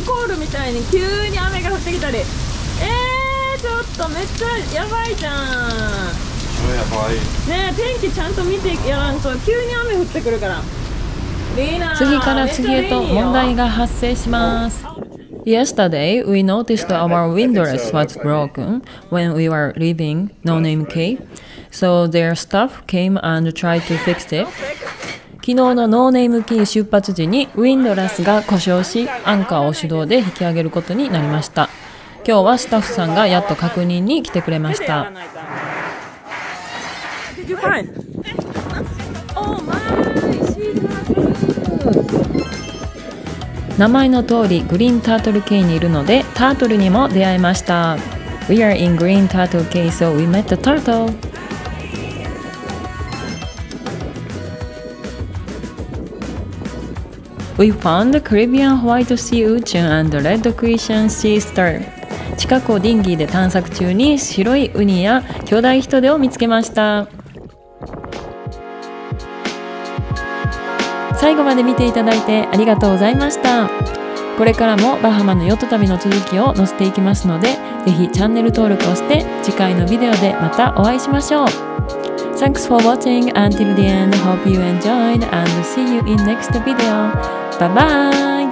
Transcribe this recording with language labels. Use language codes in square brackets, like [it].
[ja] スコールみたいに急に雨が降ってきたり。ちょっとめっちゃやばいじゃん。超やばい。ねえ、天気ちゃんと見てやらんと急に雨降ってくるから。次から次へと問題が発生します。 [en] Yesterday, we noticed our windows was broken when we were leaving No Name K. So their staff came and tried to fix it. [ja] 昨日の No Name K 出発時にウィンドラスが故障し、アンカーを手動で引き上げることになりました。今日はスタッフさんがやっと確認に来てくれました。 [en] Did you find? Oh my! [ja] 名前の通りグリーンタートル系にいるのでタートルにも出会いました。 [en] We are in green turtle case so we met the turtle. We found Caribbean white sea urchin and red Christian sea star. [ja] 近くをディンギーで探索中に白いウニや巨大ヒトデを見つけました。最後まで見ていただいてありがとうございました。これからもバハマのヨット旅の続きを載せていきますので、ぜひチャンネル登録をして次回のビデオでまたお会いしましょう。 [en] Thanks for watching until the end. Hope you enjoyed and see you in next video. Bye bye.